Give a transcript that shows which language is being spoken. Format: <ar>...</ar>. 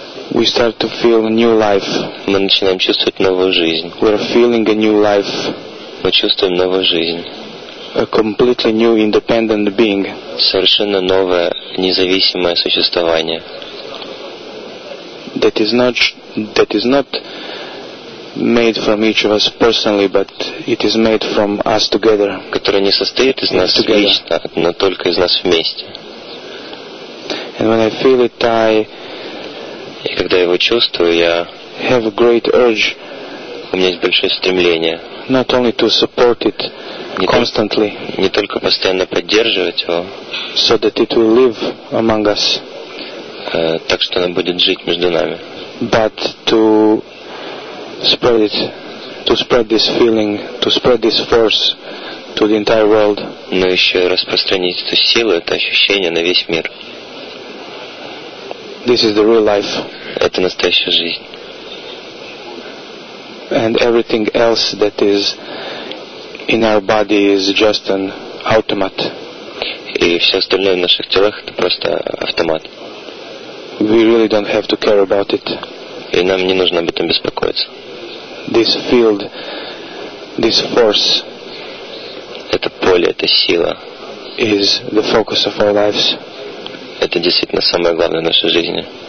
<en>we start to feel a new life.</en> <ru>Мы начинаем чувствовать новую жизнь.</ru> <en>We are feeling a new life.</en> <ru>Мы чувствуем новую жизнь.</ru> <en>A completely new independent being.</en> <ru>Совершенно новое независимое существование.</ru> <en>That is not made from each of us personally, but it is made from us together.</en> <ru>Которое не состоит из нас</ru> <en>together.</en> <ru>Лично, но только из нас вместе.</ru> <en>And when I feel it, I</en> <ru>и когда я его чувствую, я</ru> <en>have a great urge.</en> <ru>У меня есть большое стремление.</ru> <en>Not only to support it constantly.</en> <ru>Не только постоянно поддерживать его.</ru> <en>So that it will live among us.</en> <ru>Так что оно будет жить между нами.</ru> <en>But to spread it, to spread this feeling, to spread this force to the entire world.</en> <ru>Но еще распространить эту силу, это ощущение на весь мир.</ru> <en>This is the real life.</en> <ru>Это настоящая жизнь.</ru> <en>And everything else that is in our body is just an automat.</en> <ru>И все остальное в наших телах это просто автомат.</ru> <en>We really don't have to care about it.</en> <ru>И нам не нужно об этом беспокоиться.</ru> <en>This field, this force,</en> <ru>это поле, эта сила,</ru> <en>is the focus of our lives.</en> <ru>Это действительно самое главное в нашей жизни.</ru>